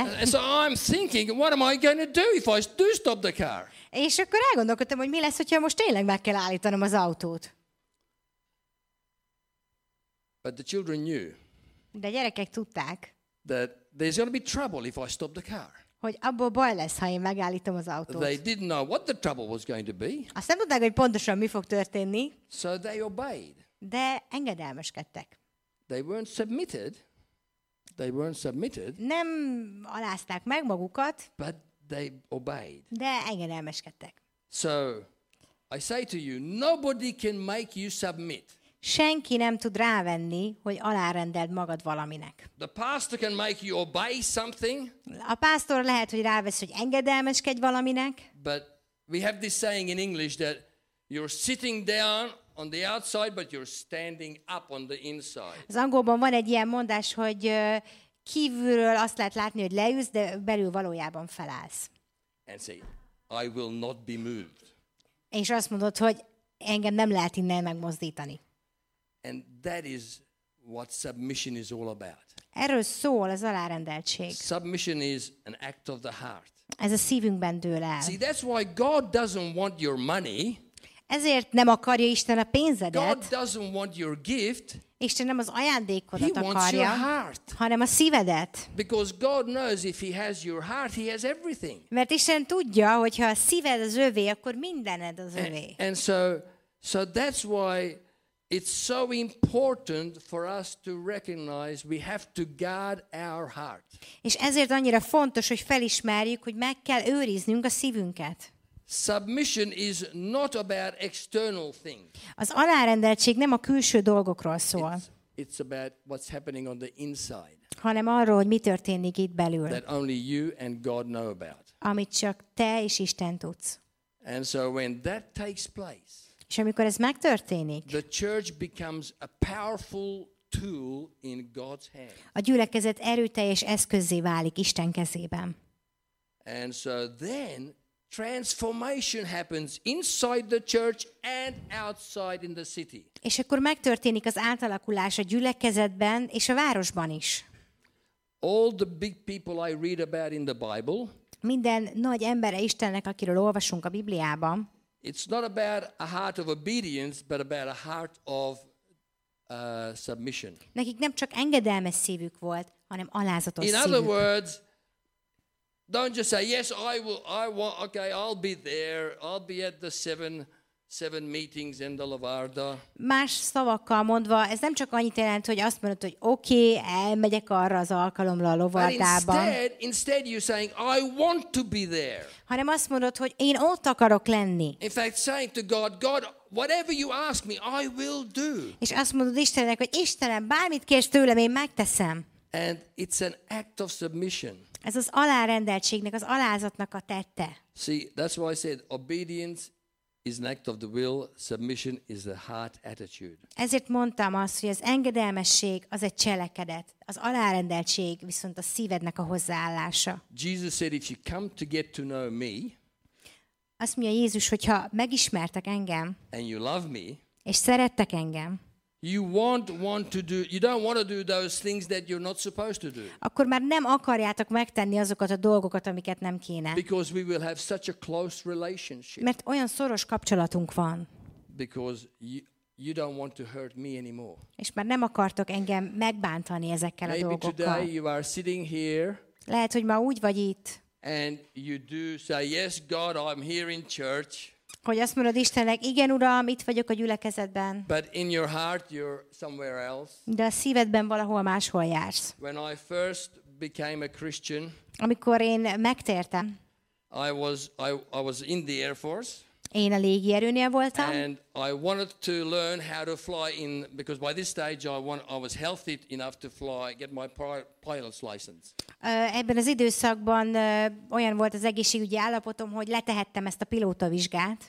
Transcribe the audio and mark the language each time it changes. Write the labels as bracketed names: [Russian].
[English] And so I'm thinking, what am I going to do if I do stop the car? [Hungarian] És akkor elgondolkodtam, hogy mi lesz, hogyha most tényleg meg kell állítanom az autót. [English] But the children knew. [Hungarian] De gyerekek tudták. [English] That there's going to be trouble if I stop the car. [Hungarian] Hogy abból baj lesz, ha én megállítom az autót. [English] They didn't know what the trouble was going to be. [Hungarian] Azt nem tudták, hogy pontosan mi fog történni. [English] So they obeyed. [Hungarian] De engedelmeskedtek. [English] They weren't submitted. They weren't submitted. [Hungarian] Nem alázták meg magukat. [English] But they obeyed. [Hungarian] De engedelmeskedtek. [English] So I say to you, nobody can make you submit. [Hungarian] Senki nem tud rávenni, hogy alárendeld magad valaminek. [English] The pastor can make you obey something. [Hungarian] A pásztor lehet, hogy rávesz, hogy engedelmeskedj valaminek. [English] But we have this saying in English that you're sitting down on the outside, but you're standing up on the inside. [Hungarian] Az angolban van egy ilyen mondás, hogy kívülről azt lehet látni, hogy leülsz, de belül valójában felállsz. [English] And say, I will not be moved. [Hungarian] És azt mondod, hogy engem nem lehet innen megmozdítani. [English] And that is what submission is all about. [Hungarian] Erről szól az alárendeltség. [English] Submission is an act of the heart. [Hungarian] Ez a szívünkben dől el. [English] See, that's why God doesn't want your money. [Hungarian] Ezért nem akarja Isten a pénzedet. [English] God doesn't want your gift. [Hungarian] Isten nem az ajándékodat [English] he [Hungarian] akarja, [English] wants your heart. [Hungarian] Hanem a szívedet. [English] Because God knows if he has your heart, he has everything. [Hungarian] Mert Isten tudja, hogy ha a szíved az övé, akkor mindened az övé. [English] And so that's why it's so important for us to recognize we have to guard our heart. [Hungarian] És ezért annyira fontos, hogy felismerjük, hogy meg kell őriznünk a szívünket. [English] Submission is not about external things. [Hungarian] Az alárendeltség nem a külső dolgokról szól. [English] It's about what's happening on the inside. [Hungarian] Hanem arról, hogy mi történik itt belül. [English] That only you and God know about. [Hungarian] Amit csak te és Isten tudsz. [English] And so when that takes place. [Hungarian] És amikor ez megtörténik. [English] The church becomes a powerful tool in God's hand. [Hungarian] A gyülekezet erőteljes eszközzé válik Isten kezében. [English] And so then transformation happens inside the church and outside in the city. [Hungarian] És akkor megtörténik az átalakulás a gyülekezetben és a városban is. [English] All the big people I read about in the Bible. [Hungarian] Minden nagy embere Istennek, akiről olvasunk a Bibliában. [English] It's not about a heart of obedience, but about a heart of submission. [Hungarian] Nekik nem csak engedelmes szívük volt, hanem alázatos szívük. [English] In other words, don't just say yes, I want. Okay, I'll be there. I'll be at the seven meetings in the Lavarda. [Hungarian] Más szavakkal mondva, ez nem csak annyit jelent, hogy azt mondod, hogy oké, elmegyek arra az alkalomra a Lavardában. [English] Instead you're saying I want to be there. [Hungarian] Hanem azt mondod, hogy én ott akarok lenni. [English] In fact, saying to God, whatever you ask me, I will do. [Hungarian] És azt mondod Istennek, hogy Istenem, bármit kérsz tőlem, én megteszem. [English] And it's an act of submission. [Hungarian] Ez az alárendeltségnek, az alázatnak a tette. [English] See, that's why I said obedience is an act of the will, submission is the heart attitude. [Hungarian] Ezért mondtam azt, hogy az engedelmesség az egy cselekedet, az alárendeltség viszont a szívednek a hozzáállása. [English] Jesus said, if you come to get to know me, [Hungarian] azt mondja Jézus, hogyha megismertek engem, [English] and you love me, [Hungarian] és szerettek engem, [English] you want to do, you don't want to do those things that you're not supposed to do. [Hungarian] Akkor már nem akarjátok megtenni azokat a dolgokat, amiket nem kéne. [English] Because we will have such a close relationship. [Hungarian] Mert olyan szoros kapcsolatunk van. [English] Because you don't want to hurt me anymore. [Hungarian] És már nem akartok engem megbántani ezekkel [English] maybe [Hungarian] a dolgokkal. [English] Today you are sitting here. [Hungarian] Lehet, hogy ma úgy vagy itt. [English] And you do say, yes, God, I'm here in church. [Hungarian] Hogy azt mondod Istennek, igen Uram, itt vagyok a gyülekezetben. [English] But in your heart, you're somewhere else. [Hungarian] De a szívedben valahol máshol jársz. [English] When I first became a Christian, [Hungarian] amikor én megtértem, [English] I was in the Air Force. [Hungarian] Én a légierőnél voltam. [English] And I wanted to learn how to fly in, because by this stage I was healthy enough to fly, get my pilot's license. [Hungarian] Ebben az időszakban olyan volt az egészségügyi állapotom, hogy letehettem ezt a pilótavizsgát.